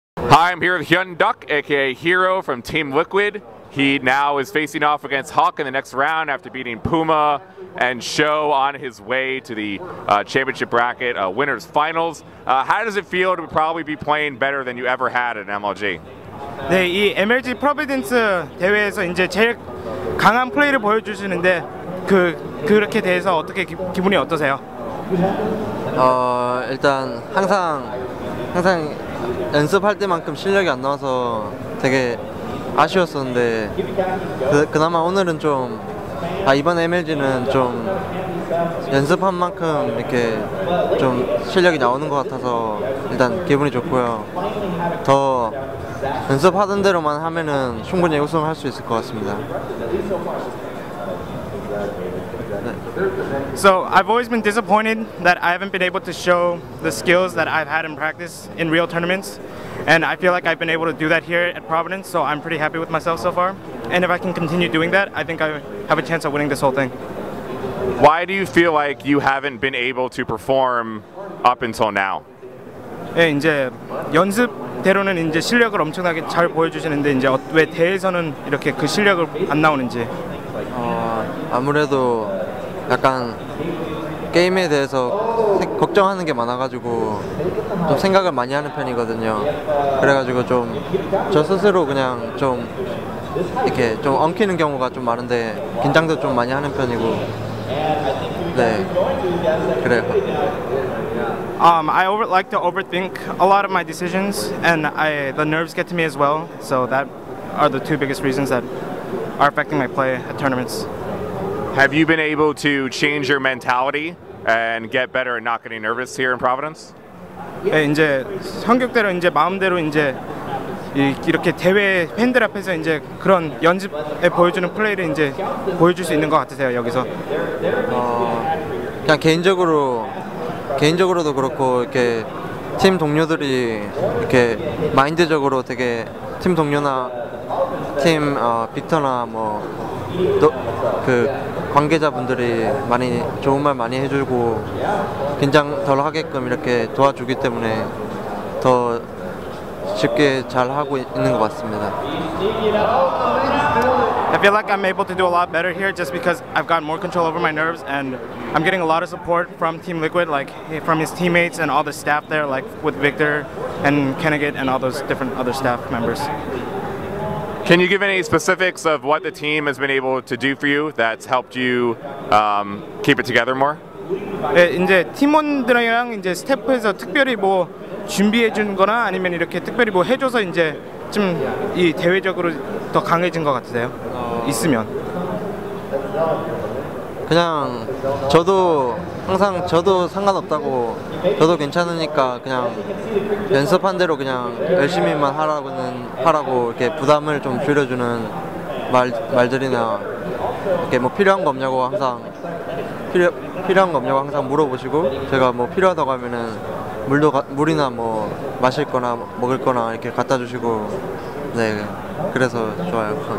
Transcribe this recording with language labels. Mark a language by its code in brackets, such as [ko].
[en] I'm here with Hyun Duck, aka Hero from Team Liquid. He now is facing off against Hawk in the next round after beating Puma and Sho on his way to the championship bracket winners finals. How does it feel to probably be playing better than you ever had in MLG? [ko] 네, 이 MLG 프로비던스 대회에서 이제 제일 강한 플레이를 보여주시는데 그렇게 대해서 어떻게 기분이 어떠세요? 일단 항상 연습할 때만큼 실력이 안 나와서 되게 아쉬웠었는데 그나마 오늘은 좀 이번 MLG는 좀 연습한 만큼 이렇게 좀 실력이 나오는 것 같아서 일단 기분이 좋고요. 더 연습하던 대로만 하면은 충분히 우승할 수 있을 것 같습니다. [en] So I've always been disappointed that I haven't been able to show the skills that I've had in practice in real tournaments. And I feel like I've been able to do that here at Providence, so I'm pretty happy with myself so far. And if I can continue doing that, I think I have a chance of winning this whole thing. Why do you feel like you haven't been able to perform up until now? [ko] 예, 이제 연습대로는 이제 실력을 엄청나게 잘 보여주시는데 이제 왜 대회에서는 이렇게 그 실력을 안 나오는지. 아무래도 약간 게임에 대해서 걱정하는 게 많아가지고 좀 생각을 많이 하는 편이거든요. 그래가지고 좀 저 스스로 그냥 좀 이렇게 좀 엉키는 경우가 좀 많은데 긴장도 좀 많이 하는 편이고 네 그래요. [en] I like to overthink a lot of my decisions, and the nerves get to me as well. So that are the two biggest reasons that are affecting my play at tournaments. Have you been able to change your mentality and get better at not getting nervous here in Providence? [ko] 네, 이제 성격대로 이제 마음대로 이제 이렇게 대회 팬들 앞에서 이제 그런 연습에 보여주는 플레이를 이제 보여줄 수 있는 것 같으세요 여기서? 그냥 개인적으로도 그렇고 이렇게 팀 동료들이 이렇게 마인드적으로 되게 팀 동료나 팀 빅터나 뭐 그 관계자분들이 많이 좋은 말 많이 해주고 긴장 덜 하게끔 이렇게 도와주기 때문에 더 쉽게 잘 하고 있는 것 같습니다. [en] I feel like I'm able to do a lot better here just because I've got more control over my nerves and I'm getting a lot of support from Team Liquid, like from his teammates and all the staff there, like with Victor and Kennegate and all those different other staff members. Can you give any specifics of what the team has been able to do for you that's helped you keep it together more? [ko] 네, 이제 팀원들이랑 이제 스태프에서 특별히 뭐 준비해 준 거나 아니면 이렇게 특별히 뭐 해줘서 이제 좀 이 대외적으로 더 강해진 것 같으세요? 있으면 그냥 저도 항상 저도 상관없다고 저도 괜찮으니까 그냥 연습한 대로 그냥 열심히만 하라고 이렇게 부담을 좀 줄여주는 말들이나 이렇게 뭐 필요한 거 없냐고 항상 필요한 거 없냐고 항상 물어보시고 제가 뭐 필요하다고 하면은 물이나 뭐 마실 거나 먹을 거나 이렇게 갖다 주시고 네 그래서 좋아요.